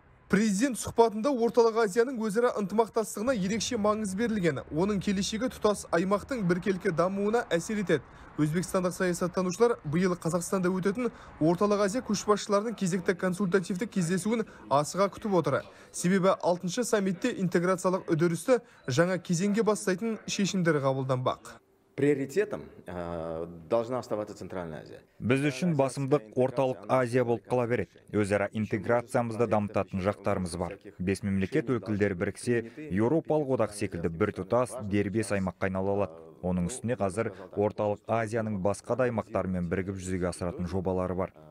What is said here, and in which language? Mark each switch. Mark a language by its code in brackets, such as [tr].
[kk] Президент сұхбатында Орталық Азияның өзара ынтымақтастығына ерекше маңыз берілген, оның келешегі тұтас аймақтың біркелкі дамуына әсер етеді. Өзбекстандық саясаттанушылар биыл Қазақстанда өтетін Орталық Азия көшбасшыларының кезекті консультативтік кездесуін асыға күтіп отыр. Себебі 6-шы саммитте интеграциялық үдерісті жаңа кезеңге бастайтын шешімдер қабылданбақ. [ru] Приоритетом должна оставаться Центральная Азия. [kk] Біз үшін басымдық Орталық Азия болып қала береді. Өзара интеграциямызды дамытатын жақтарымыз бар. Бес мемлекет өкілдері біріксе, Еуропалық одақ секілді бір тұтас дербес аймаққа айнала алады. Оның үстіне қазір Орталық Азияның басқа да аймақтарымен бірігіп жүзеге асыратын жобалары бар.